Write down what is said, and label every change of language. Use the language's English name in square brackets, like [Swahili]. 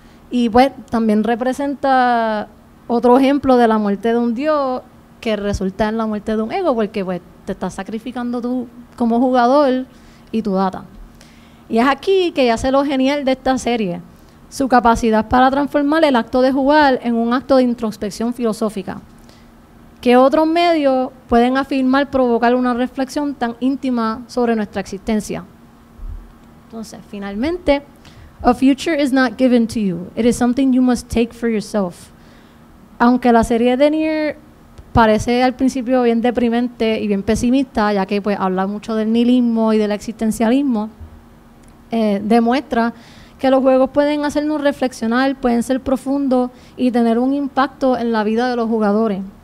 [Spanish] Y pues también representa otro ejemplo de la muerte de un dios que resulta en la muerte de un ego, porque pues te estás sacrificando tú como jugador y tu data. Y es aquí que ya sé lo genial de esta serie: su capacidad para transformar el acto de jugar en un acto de introspección filosófica. ¿Qué otros medios pueden afirmar provocar una reflexión tan íntima sobre nuestra existencia? Entonces, finalmente, [English] a future is not given to you. It is something you must take for yourself. [Spanish] Aunque la serie de Nier parece al principio bien deprimente y bien pesimista, ya que pues habla mucho del nihilismo y del existencialismo, demuestra que los juegos pueden hacernos reflexionar, pueden ser profundos y tener un impacto en la vida de los jugadores.